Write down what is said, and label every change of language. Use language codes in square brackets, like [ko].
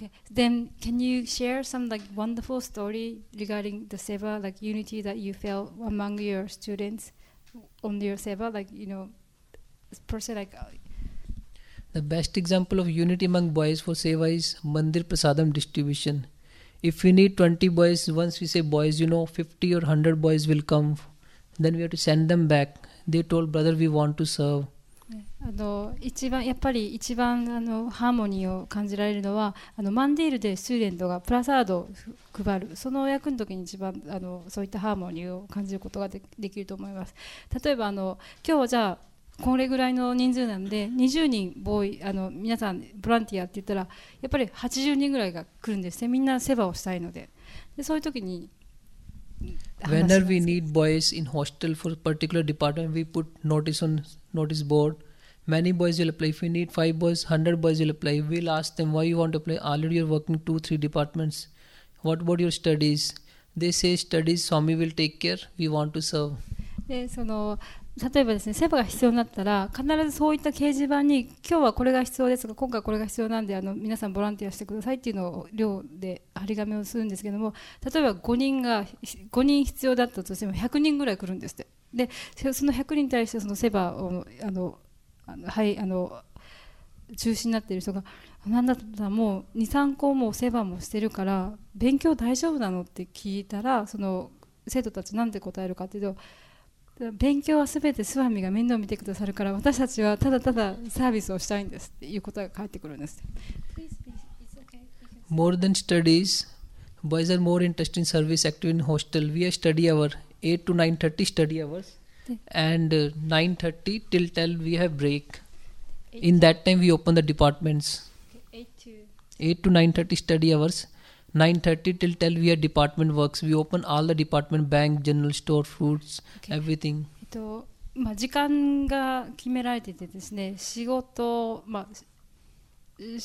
[en] Then can you share some like wonderful story regarding the seva, like unity that you felt among your students on your seva, like, you know, person like... The best example of unity among boys for seva is Mandir Prasadam distribution. If we need 20 boys, once we say boys, you know, 50 or 100 boys will come, then we have to send them back. They told brother, we want to serve. [ja] あの一番やっぱり一番あのハーモニーを感じられるのはあのマンディールでスチューデントがプラサードを配るその役の時に一番あのそういったハーモニーを感じることが できると思います。例えばあの今日はじゃあこれぐらいの人数なんで20人ボーイあの皆さんボランティアって言ったらやっぱり80人ぐらいが来るんですね。みんな世話をしたいの でそういう時に [en] Whenever we need boys in hostel for a particular department, we put notice on notice boardMany boys will apply. If we need 5 boys, 100 boys will apply. We'll ask them, why you want to apply? Already you're working 2-3 departments. What about your studies? They say studies, Swami will take care. We want to serve. [ja] でその例えばですね、セバが必要になったら、必ずそういった掲示板に、今日はこれが必要ですが、今回これが必要なんで、あの皆さんボランティアしてくださいっていうのを寮で張り紙をするんですけども、例えば5人必要だったとしても100人ぐらい来るんですって。で、その100人に対してそのセバを、あのはい、あの中心になっている人が何だったらもう 2-3 校もセバもしてるから勉強大丈夫なのって聞いたらその生徒たちなんて答えるかっていうと勉強はすべてスワミが面倒見てくださるから私たちはただただサービスをしたいんですっていうことが返ってくるんです。 [en] More than studies, boys are more interested in service active in hostel. We are study hour 8 to 9:30 study hoursand 9:30 till 10 we have break. In that time we open the departments. 8 to 9:30 study hours. 9:30 till 10 we have department works. We open all the department, bank, general store, foods, okay. Everything. [ja] まあ、時間が決められててですね、仕事、まあ、